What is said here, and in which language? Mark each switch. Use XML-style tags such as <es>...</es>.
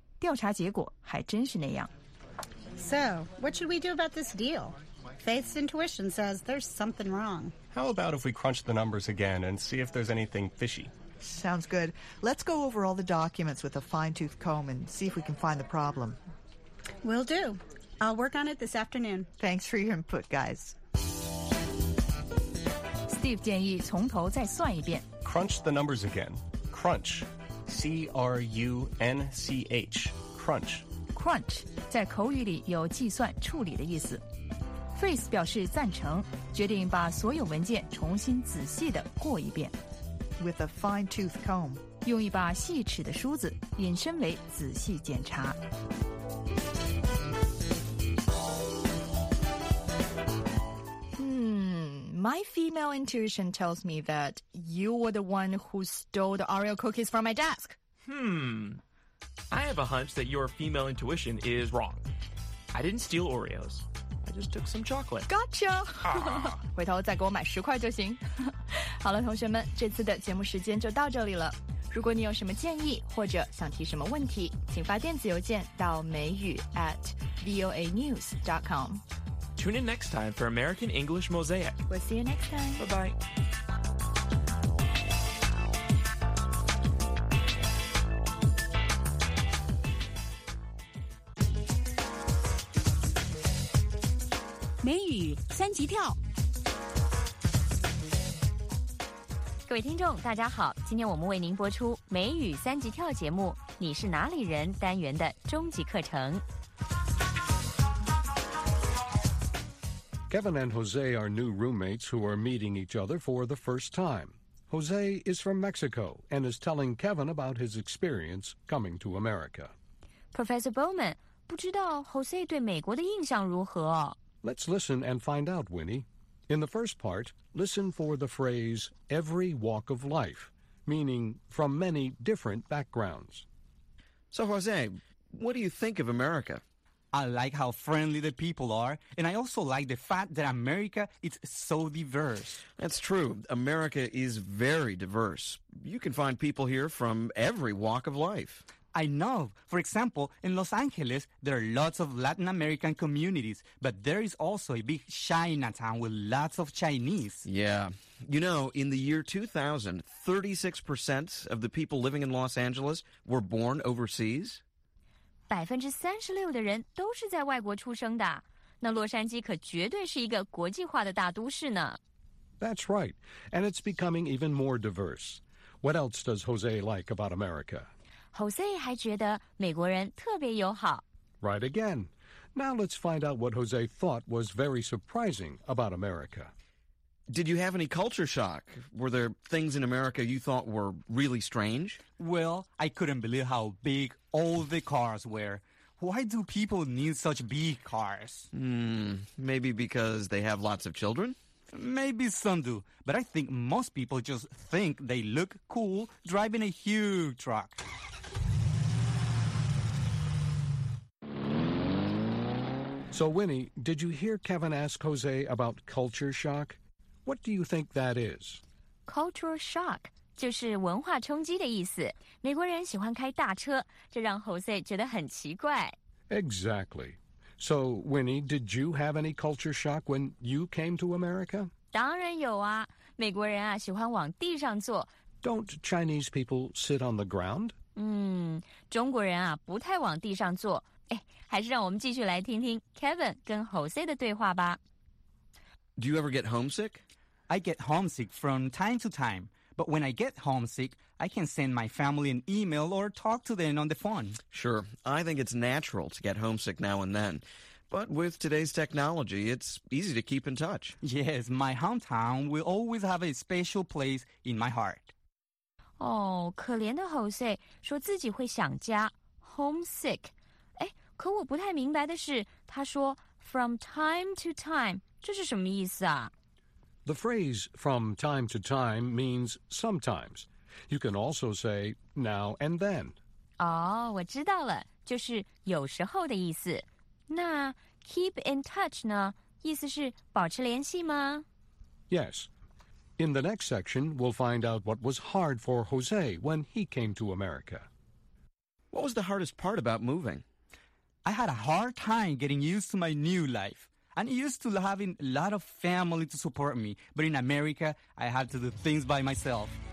<zh>调查结果还真是那样。</zh> <en>So, what should we do about this deal? Faith's intuition says there's something wrong. How about if we crunch the numbers again and see if there's anything fishy? Sounds good. Let's go over all the documents with a fine-tooth comb and see if we can find the problem. Will do. I'll work on it this afternoon. Thanks for your input, guys.</en> <zh>Steve 建议从头再算一遍。</zh> <en>Crunch the numbers again. Crunch. C-R-U-N-C-H. Crunch.</en> <zh>Crunch 在口语里有计算、处理的意思。 Face 表示赞成，决定把所有文件重新仔细地过一遍。</zh> <en>With a fine-tooth comb.</en> <zh>用一把细齿的梳子引申为仔细检查。</zh> <en>My female intuition tells me that you were the one who stole the Oreo cookies from my desk. I have a hunch that your female intuition is wrong. I didn't steal Oreos. I just took some chocolate. Gotcha!</en> <zh>回头再给我买10块就行。好了，同学们，这次的节目时间就到这里了。如果你有什么建议或者想提什么问题，请发电子邮件到美语@voanews.com.</zh> <en>Tune in next time for American English Mosaic. We'll see you next time. Bye-bye.</en> <zh>美语三级跳。各位听众大家好，今天我们为您播出美语三级跳节目你是哪里人单元的终极课程。</zh> <en>Kevin and Jose are new roommates who are meeting each other for the first time. Jose is from Mexico and is telling Kevin about his experience coming to America.</en> <zh>Professor Bowman, 不知道 Jose 对美国的印象如何？</zh> <en>Let's listen and find out, Winnie. In the first part, listen for the phrase, every walk of life, meaning from many different backgrounds. So, Jose, what do you think of America? I like how friendly the people are, and I also like the fact that America is so diverse. That's true. America is very diverse. You can find people here from every walk of life. I know. For example, in Los Angeles, there are lots of Latin American communities, but there is also a big Chinatown with lots of Chinese. Yeah. You know, in the year 2000, 36% of the people living in Los Angeles were born overseas.</en> <zh>36%的人都是在外国出生的，那洛杉矶可绝对是一个国际化的大都市呢。</zh> <en>That's right, and it's becoming even more diverse. What else does Jose like about America?</en> <zh>Jose 还觉得美国人特别友好。</zh> <en>Right again. Now let's find out what Jose thought was very surprising about America. Did you have any culture shock? Were there things in America you thought were really strange? Well, I couldn't believe how big... All the cars were. Why do people need such big cars? Maybe because they have lots of children? Maybe some do. But I think most people just think they look cool driving a huge truck. So, Winnie, did you hear Kevin ask Jose about culture shock? What do you think that is? Cultural shock.</en> <zh>就是文化冲击的意思。美国人喜欢开大车，这让 Jose 觉得很奇怪。</zh> <en>Exactly. So, Winnie, did you have any culture shock when you came to America?</en> <zh>当然有啊。美国人啊，喜欢往地上坐。</zh> <en>Don't Chinese people sit on the ground?</en> <zh>中国人啊，不太往地上坐。还是让我们继续来听听 Kevin 跟 Jose 的对话吧。</zh> <en>Do you ever get homesick? I get homesick from time to time. But when I get homesick, I can send my family an email or talk to them on the phone. Sure. I think it's natural to get homesick now and then. But with today's technology, it's easy to keep in touch. Yes, my hometown will always have a special place in my heart.</en> <zh>Oh, 可怜的 Jose 说自己会想家 homesick. 可我不太明白的是他说</zh> <en>from time to time,</en> <zh>这是什么意思啊？</zh> <en>The phrase from time to time means sometimes. You can also say now and then.</en> <zh>Oh, 我知道了，就是有时候的意思。那</zh> <en>keep in touch</en> <zh>呢？意思是保持联系吗？</zh> <en>Yes. In the next section, we'll find out what was hard for Jose when he came to America. What was the hardest part about moving? I had a hard time getting used to my new life. I'm used to having a lot of family to support me, but in America, I had to do things by myself.</en>